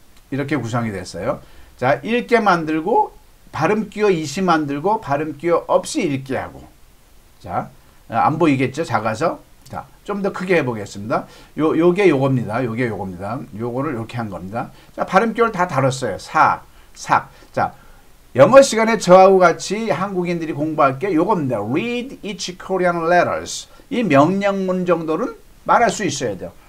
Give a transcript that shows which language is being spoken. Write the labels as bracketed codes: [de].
[ko] 이렇게 구성이 됐어요. 자, 읽게 만들고, 발음기어 이시 만들고, 발음기어 없이 읽게 하고. 자, 안 보이겠죠? 작아서. 자, 좀 더 크게 해보겠습니다. 요게 요겁니다. 요게 요겁니다. 요거를 이렇게 한 겁니다. 자, 발음기어를 다 다뤘어요. 사, 삭. 자, 영어 시간에 저하고 같이 한국인들이 공부할 게 요겁니다. [en] Read each Korean letters. [ko] 이 명령문 정도는 말할 수 있어야 돼요.